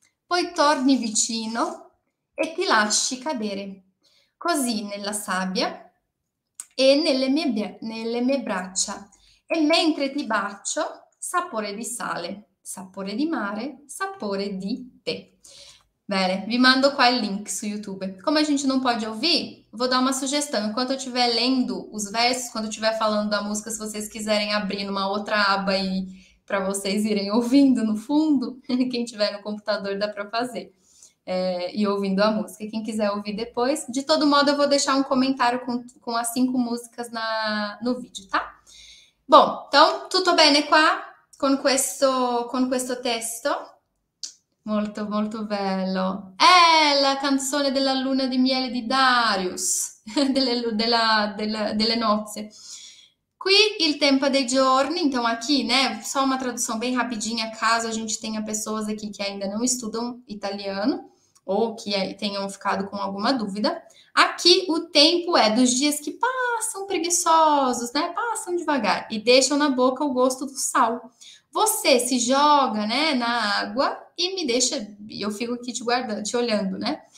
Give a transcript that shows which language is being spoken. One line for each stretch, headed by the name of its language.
Italian: Poi torni vicino e ti lasci cadere così nella sabbia e nelle mie braccia. E mentre ti bacio, sapore di sale. Sapore di mare, sapore di te. Bene, vi mando qua il link su YouTube.
Portuguese: Come a gente não pode ouvir, vou dar uma sugestão. Enquanto eu estiver lendo os versos, quando eu estiver falando da música, se vocês quiserem abrir numa outra aba aí para vocês irem ouvindo no fundo, quem tiver no computador dá para fazer. E ouvindo a música. Quem quiser ouvir depois, de todo modo, eu vou deixar um comentário com as cinco músicas no vídeo, tá? Bom, então, tudo bem, né, qua?
Italian: con questo testo. Molto, molto bello. È la canzone della luna di miele di Darius, delle nozze. Qui il tempo dei giorni,
Portuguese: então aqui, né? Só uma tradução bem rapidinha, caso a gente tenha pessoas aqui que ainda não estudam italiano ou que tenham ficado com alguma dúvida. Aqui o tempo é dos dias que passam preguiçosos, né? Passam devagar e deixam na boca o gosto do sal. Você se joga, né, na água e me deixa, eu fico aqui te guardando, te olhando, né?